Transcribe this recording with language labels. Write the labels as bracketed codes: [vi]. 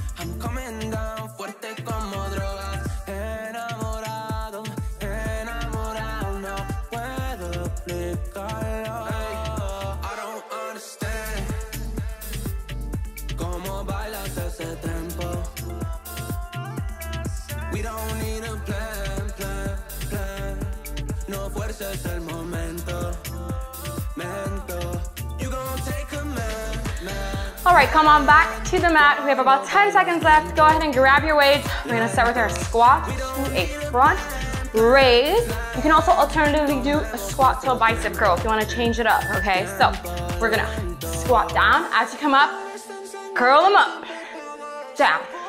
[en] I'm coming down, [es] fuerte como drogas. Enamorado, enamorado. No puedo explicarlo. [en] I don't understand. the tempo. We don't need a plan, plan, plan. [es] No fuerzas el momento, mento. [en] You gon' take a man, man. All right, come on back to the mat. We have about 10 seconds left. Go ahead and grab your weights. We're gonna start with our squat to a front raise. You can also alternatively do a squat to a bicep curl if you wanna change it up, okay? So we're gonna squat down. As you come up, curl them up, down.